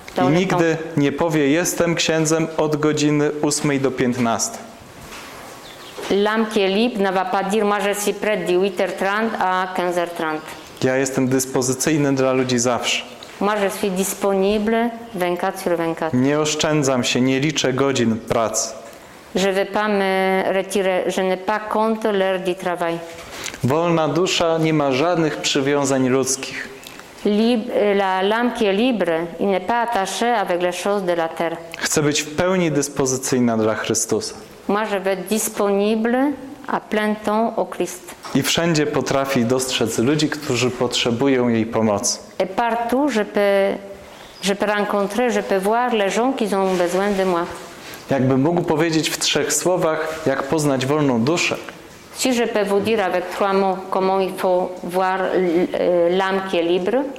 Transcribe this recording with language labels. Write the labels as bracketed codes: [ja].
[pl] I nigdy nie powie, jestem księdzem od godziny 8 do 15. [fr] L'âme qui est libre ne va pas dire, moi je suis prêt de 8h30 à 15h30. [pl] Ja jestem dyspozycyjny dla ludzi zawsze. [fr] Moi je suis disponible 24/24. [pl] Nie oszczędzam się, nie liczę godzin pracy. [fr] Je ne vais pas me retirer, je ne pas compte l'heure du travail. [pl] Wolna dusza nie ma żadnych przywiązań ludzkich. [fr] La l'âme qui est libre, il n'est pas attaché avec les choses de la terre. [pl] Chcę być w pełni dyspozycyjna dla Chrystusa. [fr] Moi je veux être disponible à plein temps au Christ. [pl] I wszędzie potrafi dostrzec ludzi, którzy potrzebują jej pomocy. [fr] Et partout je peux rencontrer, je peux voir les gens qui ont besoin de moi. [pl] Jakbym mógł powiedzieć w trzech słowach, jak poznać wolną duszę. [fr] Si je peux vous dire avec trois mots comment il faut voir l'âme qui est libre.